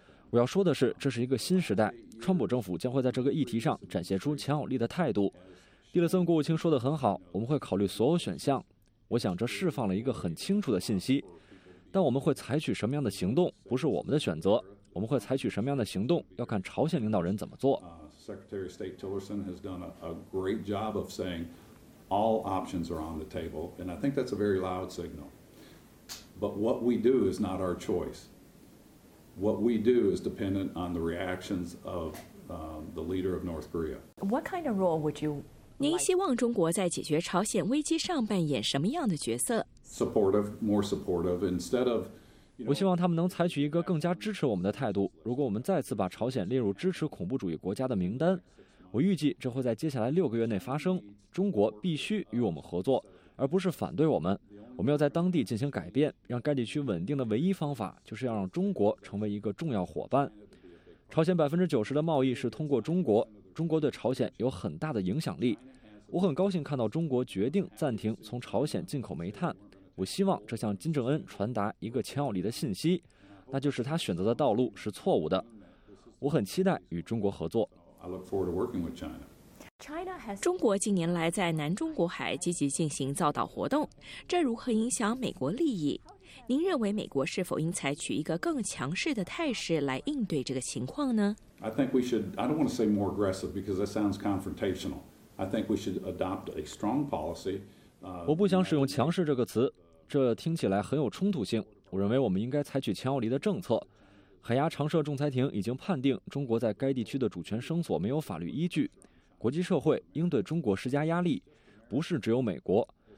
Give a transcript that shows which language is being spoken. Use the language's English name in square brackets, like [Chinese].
[Chinese] 我要说的是，这是一个新时代，川普政府将会在这个议题上展现出强有力的态度。蒂勒森国务卿说得很好，我们会考虑所有选项。我想这释放了一个很清楚的信息，但我们会采取什么样的行动不是我们的选择，我们会采取什么样的行动要看朝鲜领导人怎么做。 [English] Secretary of State Tillerson has done a great job of saying all options are on the table, and I think that's a very loud signal. But what we do is not our choice. What we do is dependent on the reactions of the leader of North Korea. What kind of role would you? [Chinese] 您希望中国在解决朝鲜危机上扮演什么样的角色 [English] ？Supportive, more supportive. Instead of, [Chinese] 我希望他们能采取一个更加支持我们的态度。如果我们再次把朝鲜列入支持恐怖主义国家的名单，我预计这会在接下来六个月内发生。中国必须与我们合作，而不是反对我们。我们要在当地进行改变，让该地区稳定的唯一方法就是要让中国成为一个重要伙伴。朝鲜90%的贸易是通过中国，中国对朝鲜有很大的影响力。我很高兴看到中国决定暂停从朝鲜进口煤炭。我希望这向金正恩传达一个强有力的信息，那就是他选择的道路是错误的。我很期待与中国合作。中国近年来在南中国海积极进行造岛活动，这如何影响美国利益？您认为美国是否应采取一个更强势的态势来应对这个情况呢？ [English] I think we should. I don't want to say more aggressive because that sounds confrontational. I think we should adopt a strong policy. [Chinese] 我不想使用强势这个词，这听起来很有冲突性。我认为我们应该采取强有力的政策。海牙常设仲裁庭已经判定中国在该地区的主权声索没有法律依据。国际社会应对中国施加压力，不是只有美国。